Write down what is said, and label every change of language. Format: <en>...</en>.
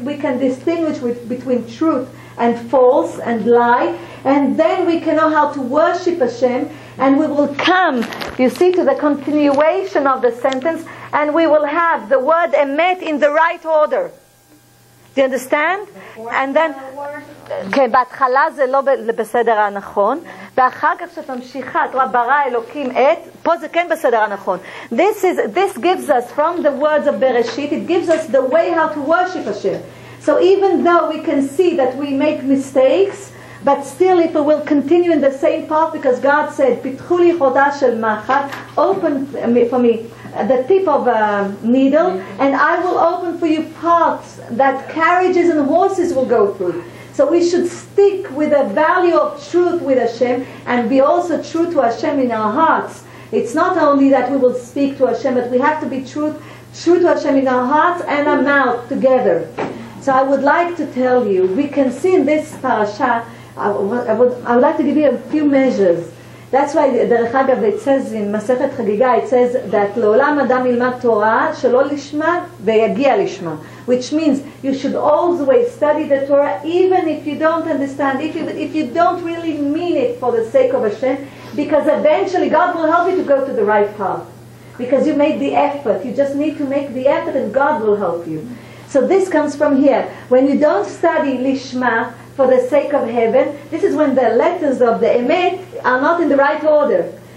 <en>We can distinguish between truth and false and lie. And then we can know how to worship Hashem. And we will come, you see, to the continuation of the sentence. And we will have the word emet in the right order. Do you understand? And then...</en> <he>כן, בהתחלה זה לא בסדר הנכון. ואחר כך שתמשיכה, את רואה, ברא אלוקים את, פה זה כן בסדר הנכון.</he> <en>This gives us, from the words of Bereshit, it gives us the way how to worship Hashem. So even though we can see that we make mistakes, but still if we will continue in the same path, because God said,</en> <he>פיתחו לי חודה של מחת,</he> <en>open for me the tip of a needle, and I will open for you paths that carriages and horses will go through. So we should stick with the value of truth with Hashem and be also true to Hashem in our hearts. It's not only that we will speak to Hashem, but we have to be true to Hashem in our hearts and our mouth together. So I would like to tell you, we can see in this parasha, I would like to give you a few measures. That's why,</en> <he>דרך אגב,</he> <en>it says in</en> <he>מסכת חגיגה,</he> <en>it says that</en> <he>לעולם אדם ילמד תורה שלא לשמה ויגיע לשמה.</he> <en>Which means you should always study the Torah, even if you don't understand, if you don't really mean it for the sake of Hashem, because eventually God will help you to go to the right path. Because you made the effort, you just need to make the effort and God will help you. So this comes from here. When you don't study Lishma for the sake of heaven, this is when the letters of the Emet are not in the right order.</en>